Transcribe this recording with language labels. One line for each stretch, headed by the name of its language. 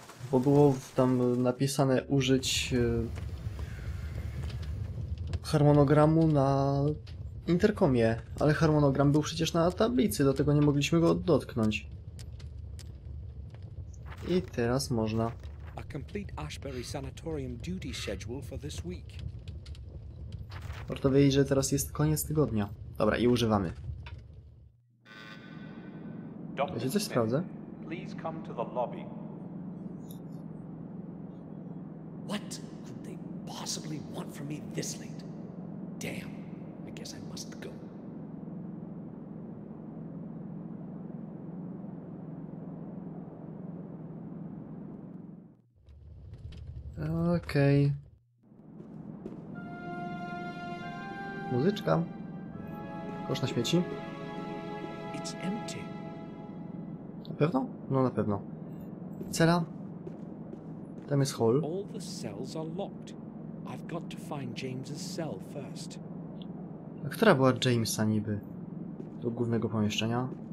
Polish: Bo było tam napisane użyć harmonogramu na interkomie, ale harmonogram był przecież na tablicy, dlatego nie mogliśmy go dotknąć. I teraz można.
English: A complete Ashbury Sanatorium duty schedule for this week.
Polish: Warto wiedzieć, że teraz jest koniec tygodnia. Dobra, i używamy. Ja się coś sprawdzę.
English: Please come to the lobby. What could they possibly want from me this late? Damn, I guess I must go. Okay.
Polish: Muzyczka. Kosz na śmieci.
English: It's empty.
Polish: Na pewno? No na pewno. Cela? Tam jest hall.
English: All the cells are locked. I've got to find James's cell first.
Polish: A która była Jamesa niby? Do głównego pomieszczenia?